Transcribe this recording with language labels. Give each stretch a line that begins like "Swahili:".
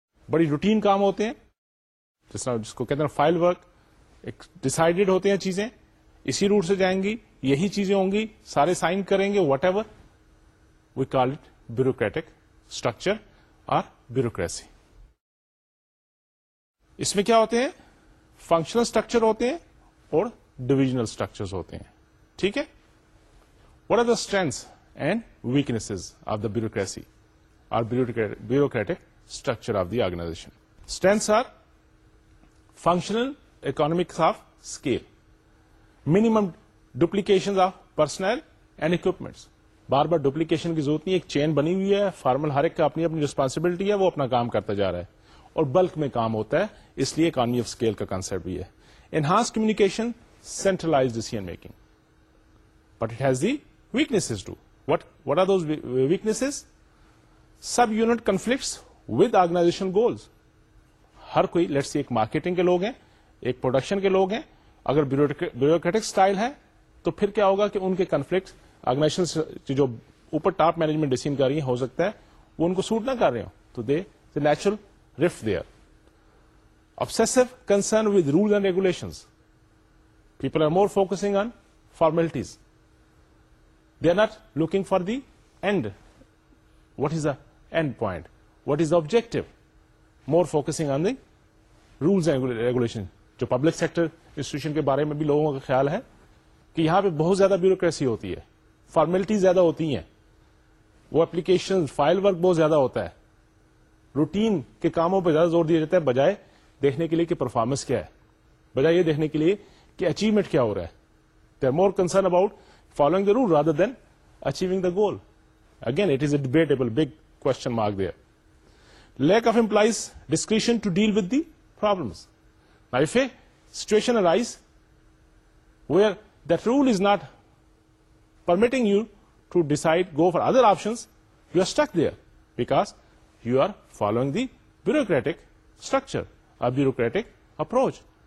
Urdu: بڑی روٹین کام ہوتے ہیں, جس کو کہتے ہیں فائل ورک, ایک ڈیسائڈیڈ ہوتے ہیں چیزیں, اسی روٹ سے جائیں گی, یہی چیزیں ہوں گی, سارے سائن کریں گے,
English: whatever, we call it bureaucratic structure
Urdu: اور بیوروکریسی. اس میں کیا ہوتے ہیں؟ فنکشنل اسٹرکچر ہوتے ہیں اور ڈویژنل اسٹرکچر ہوتے ہیں, ٹھیک ہے.
English: What are the strengths and weaknesses of the bureaucracy اور bureaucratic structure of the organisation? Strengths are functional economics of scale, minimum duplication of personnel and equipments.
Urdu: Bar bar duplication کی ضرورت نہیں, ایک چین بنی ہوئی ہے, فارمل ہر ایک کا اپنی اپنی ریسپانسبلٹی ہے, وہ اپنا کام کرتا جا رہا ہے اور بلک میں کام ہوتا ہے, اس لیے اکانمی آف اسکیل کا کانسپٹ بھی ہے.
English: Enhance communication, centralise decision making, but it has the weaknesses too. What are those weaknesses? Sub unit conflicts with organisation goals.
Urdu: ہر کوئی,
English: let's see,
Urdu: ایک مارکیٹنگ کے لوگ ہیں, ایک پروڈکشن کے لوگ ہیں, اگر بیوروکریٹک اسٹائل ہے تو پھر کیا ہوگا کہ ان کے کنفلکٹس آرگنائزیشن جو اوپر ٹاپ مینجمنٹ ڈیسیژن کر رہی ہیں, ہو سکتا ہے وہ ان کو سوٹ نہ کر رہے ہوں, تو
English: They the natural reef there. Obsessive concern with rules and regulations, people are more focusing on formalities, they are not looking for the end, what is the end point, what is the objective, more focusing on the rules and regulation.
Urdu: جو public sector institution کے بارے میں بھی لوگوں کا خیال ہے کہ یہاں پہ بہت زیادہ بیوروکریسی ہوتی ہے, فارمیلٹی زیادہ ہوتی ہیں, وہ اپلیکیشن فائل ورک بہت زیادہ ہوتا ہے, روٹین کے کاموں پہ زیادہ زور دیا جاتا ہے بجائے دیکھنے کے لیے کہ پرفارمنس کیا ہے, بجائے یہ دیکھنے کے لیے کہ اچیومنٹ کیا ہو رہا ہے.
English: They are more concern about following the rule rather than achieving the goal. Again it is a debatable big question mark there. Lack of employees discretion to deal with the problems. Now if a situation arises where that rule is not permitting you to decide, go for other options, you are stuck there because you are following the bureaucratic structure, a bureaucratic approach.